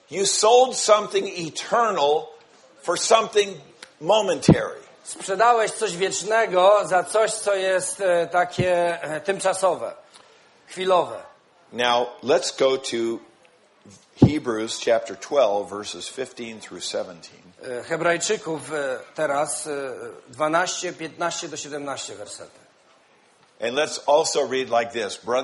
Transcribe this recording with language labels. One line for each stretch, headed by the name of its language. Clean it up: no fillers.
English: You sold something eternal for something momentary.
Polish: Sprzedałeś coś wiecznego za coś, co jest takie tymczasowe, chwilowe.
English: Now, let's go to Hebrews chapter 12, verses 15 through 17.
Polish: Hebrajczyków teraz 12, 15 do 17 wersety.
English: And let's also read like this.